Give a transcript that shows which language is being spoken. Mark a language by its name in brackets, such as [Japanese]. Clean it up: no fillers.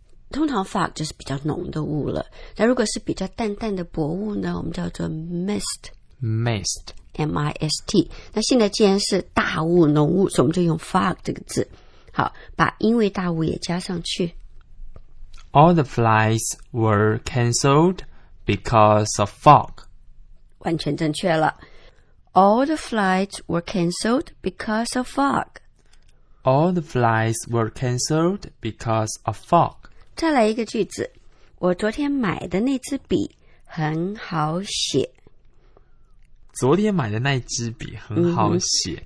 [Chinese] 通常 fog 就是比较浓的雾了，但如果是比较淡淡的薄雾呢，我们叫做 mist M-I-S-T。那现在既然是大雾浓雾，所以我们就用 fog 这个字。好，把因为大雾也加上去。 [English] All the flights were cancelled because of fog. [Chinese] 完全正确了。 [English] All the flights were cancelled because of fog. All the flights were cancelled because of fog. [Chinese] 再来一个句子，我昨天买的那支笔很好写。昨天买的那支笔很好写。